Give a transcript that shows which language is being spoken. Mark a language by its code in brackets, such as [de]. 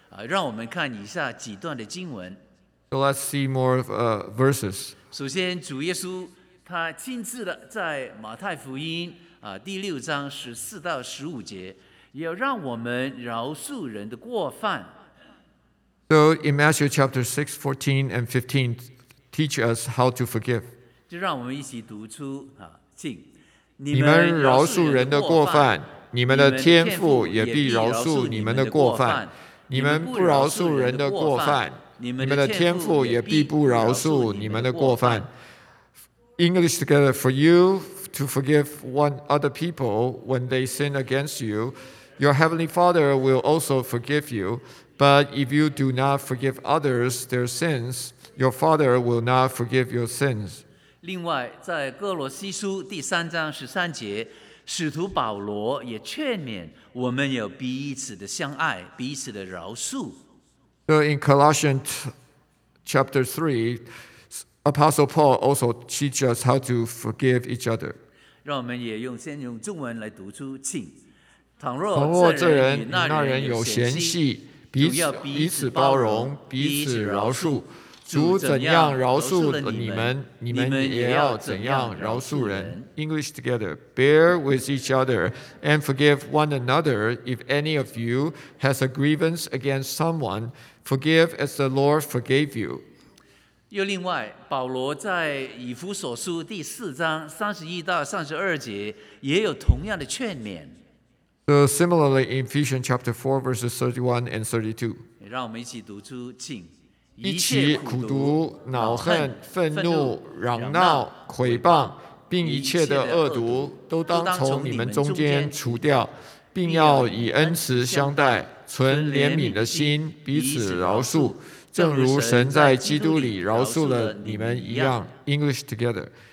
[zh] 让我们看以下几段的经文。 [en] So let's see more of verses. [zh] 首先，主耶稣他亲自的在马太福音第六章十四到十五节，要让我们饶恕人的过犯。 [en] So in Matthew chapter 6, 14 and 15, teach us how to forgive. [zh] 就让我们一起读出啊，请你们饶恕人的过犯，你们的天父也必饶恕你们的过犯。你们不饶恕人的过犯，你们的天父也必不饶恕你们的过犯。 [en] English together, for you to forgive one other people when they sin against you, your heavenly Father will also forgive you. But if you do not forgive others their sins, your Father will not forgive your sins. [zh] 另外，在哥罗西书第三章十三节，使徒保罗也劝勉我们要彼此的相爱，彼此的饶恕。 [en] So in Colossians chapter 3, Apostle Paul also teaches us how to forgive each other. [zh] 让我们也用先用中文来读出，请。倘若这人与那人有嫌隙，彼此包容，彼此饶恕。主怎样饶恕你们，你们也要怎样饶恕人。 [en] English together, bear with each other and forgive one another. If any of you has a grievance against someone, forgive as the Lord forgave you. [zh] 又另外，保罗在以弗所书第四章三十一到三十二节也有同样的劝勉。 [en] So similarly, in Ephesians chapter 4, verses 31 and 32. [zh] 让我们一起读出，请。一起苦读恼恨愤怒嚷闹毁谤并一切的恶毒都当从你们中间除掉并要以恩慈相待存怜悯的心彼此饶恕正如神在基督里饶恕了你们一样 [en] English together